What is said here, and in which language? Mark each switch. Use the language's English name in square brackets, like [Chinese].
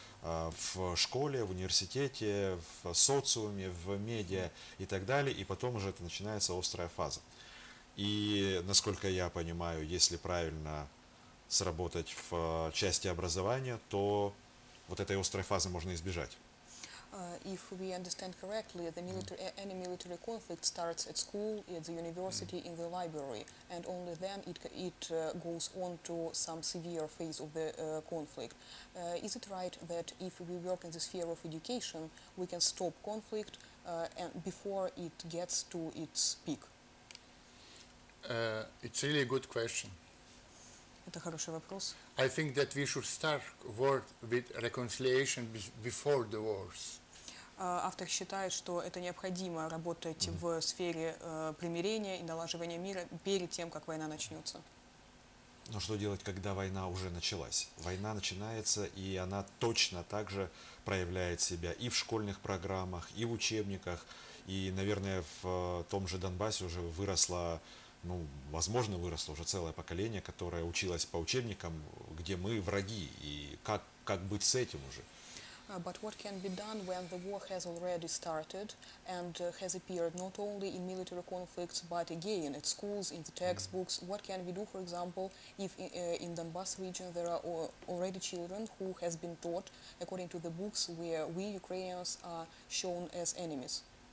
[Russian] в школе, в университете, в социуме, в медиа и так далее, и потом уже это начинается острая фаза. И, насколько я понимаю, если правильно сработать в части образования, то вот этой острой фазы можно избежать. [English] If we understand correctly, the military, any military conflict starts at school, at the university, in the library, and only then it goes on to some severe phase of the conflict. Is it right that if we work in the sphere of education, we can stop conflict and before it gets to its peak? It's really a good question. [Russian] Это хороший вопрос. [English] I think that we should start work with reconciliation before the wars. [Russian] Автор считает, что это необходимо работать в сфере примирения и налаживания мира перед тем, как война начнется. Но что делать, когда война уже началась? Война начинается, и она точно так же проявляет себя и в школьных программах, и в учебниках, и, наверное, в том же Донбассе уже выросла, ну, возможно, выросло уже целое поколение, которое училось по учебникам, где мы враги, и как быть с этим уже? [English] But what can be done when the war has already started and has appeared not only in military conflicts but again at schools, in the textbooks? Mm-hmm. What can we do, for example, if in Donbass region there are already children who has been taught according to the books where we Ukrainians are shown as enemies?